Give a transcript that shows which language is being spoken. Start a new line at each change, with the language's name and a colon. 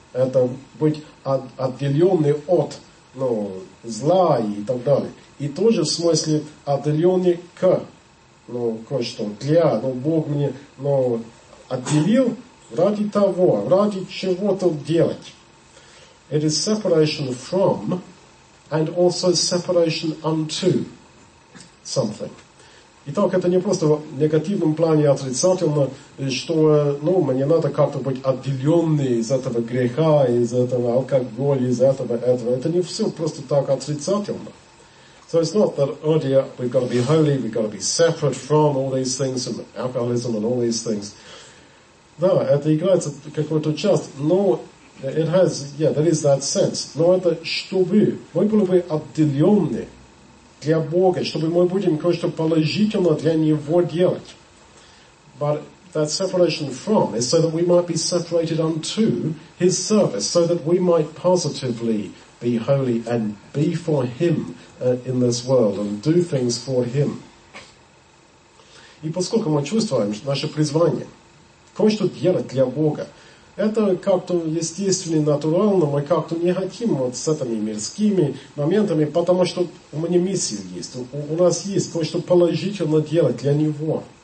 Russian: Это быть отделенный от зла и так далее. И тоже в смысле отделенный к кое-что, для. Бог мне отделил ради того, ради чего-то делать.
English: It is separation from and also separation unto something.
Russian: Итак, это не просто в негативном плане отрицательно, что мне надо как-то быть отделенный из этого греха, из этого алкоголя, из этого. Это не все просто так отрицательно.
English: So it's not that, oh dear, we've got to be holy, we've got to be separate from all these things, from alcoholism and all these things.
Russian: Да, это играется какую-то часть, но
English: it has, yeah, there is that sense.
Russian: Но это чтобы мы были бы отделенные для Бога, чтобы мы будем кое-что положительно для Него делать.
English: But that separation from is so that we might be separated unto His service, so that we might positively be holy and be for Him in this world and do things for Him.
Russian: И поскольку мы чувствуем наше призвание, кое-что делать для Бога, это как-то естественно, натурально, мы как-то не хотим вот с этими мирскими моментами, потому что у меня миссия есть, у нас есть кое-что положительно делать для Него.